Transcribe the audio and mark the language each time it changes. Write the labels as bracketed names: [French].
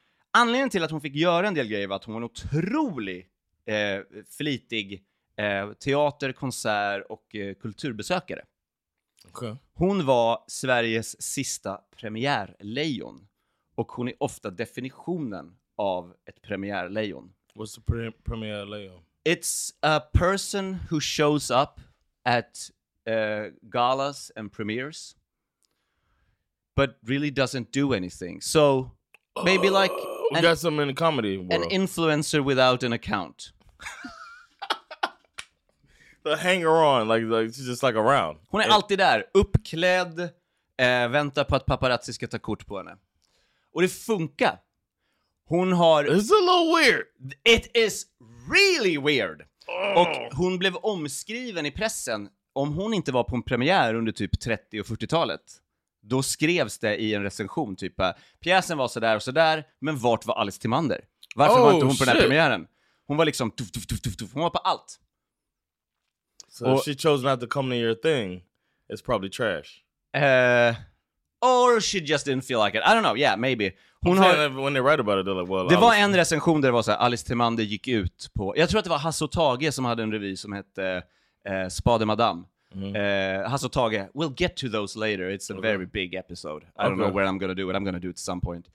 [Swedish] Anledningen till att hon fick göra en del grejer var att hon var en otrolig flitig teater-, konsert- och kulturbesökare. [English] Okay. [Swedish] Hon var Sveriges sista premiärlejon. Och hon är ofta definitionen av ett premiärlejon. [English] What's the premiärlejon? It's a person who shows up at galas and premieres, but really doesn't do anything. So maybe like we got some in the comedy world. An influencer without an account. The hanger on, like she's just like around. [Swedish] Hon är alltid där, uppklädd, väntar på att paparazzi ska ta kort på henne. Och det funkar. Hon har... [English] It's a little weird. It is really weird. [Swedish] Och hon blev omskriven i pressen. Om hon inte var på en premiär under typ 30- och 40-talet, då skrevs det i en recension typ pjäsen var sådär och sådär, men vart var Alice Timander? Varför var inte hon på den här premiären? Hon var liksom... Tuff, tuff, tuff, tuff. Hon var på allt. [English] So och, she chose not to come to your thing. It's probably trash. Or she just didn't feel like it. I don't know. Yeah, maybe. [Swedish] Hon har, [English] when they write about it, they're like, well, [Swedish] det var en recension där det var så här, Alice Timander gick ut på... Jag tror att det var Hasso Tage som hade en revy som hette Spade Madame. [English] Mm. Hasso Tage, we'll get to those later. It's a very big episode. I don't know where I'm gonna do it. I'm gonna do it at some point.